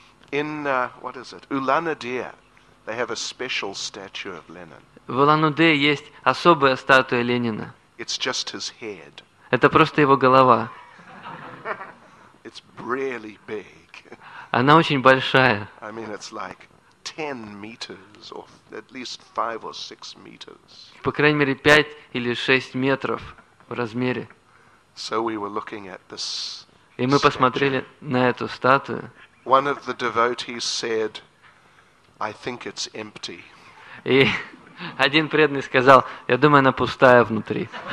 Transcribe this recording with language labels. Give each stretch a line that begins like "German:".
English: In Улан-Удэ, they have a special statue of Lenin.
Russian: В Улан-Удэ есть особая статуя Ленина.
English: It's just his head.
Russian: Это просто его голова.
English: It's really big.
Russian: Она очень большая.
English: I mean, it's like 10 meters, or at least 5 or 6 meters.
Russian: По крайней мере 5 или 6 метров в размере.
English: So we were looking at this
Russian: И мы посмотрели на эту статую.
English: One of the devotees said, I think it's empty.
Russian: И один преданный сказал, я думаю, она пустая внутри.